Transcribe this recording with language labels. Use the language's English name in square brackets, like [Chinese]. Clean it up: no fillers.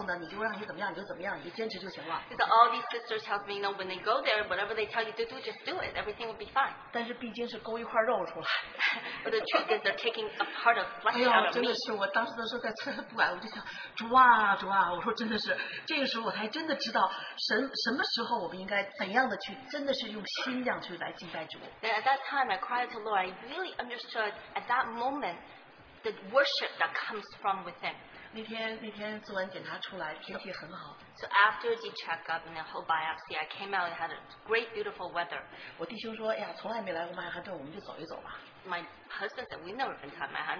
[Chinese] 真的，你就说你我当然当时的时候有咱们像邱姊妹啊，还有有一些姊妹告诉我说没事了，去了以后呢，你就让你怎么样你就怎么样，你坚持就行了。So [English] all these sisters help me know when they go there, whatever they tell you to do, just do it. Everything will be fine. [Chinese] 但是毕竟是勾一块肉出来。But [English] the truth is they're taking a part of flesh out of me. [Chinese] 哎呀，真的是我当时的时候在厕所不管，我就想主啊主啊，我说真的是这个时候我才真的知道神什么时候我们应该怎样的去真的是用心量去来敬拜主。 [English] Then at that time, I cried to the Lord. I really understood at that moment the worship that comes from within. [Chinese] 那天做完检查出来，天气很好。 [English] So after the checkup and the whole biopsy, I came out and had a great, beautiful weather. [Chinese] 我弟兄说，哎呀，从来没来过曼哈顿，我们就走一走吧。 [English] My husband said, "We've never been to Manhattan.